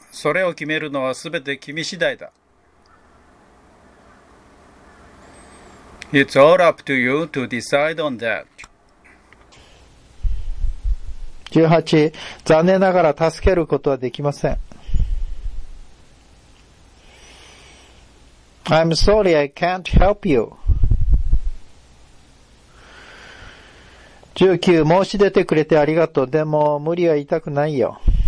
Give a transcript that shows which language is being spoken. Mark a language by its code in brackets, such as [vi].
[ja] それを決めるのはすべて君次第だ。 [en] It's all up to you to decide on that. 18. [ja] 残念ながら助けることはできません。 [en] I'm sorry I can't help you. 19. [ja] 申し出てくれてありがとう。でも無理は言いたくないよ。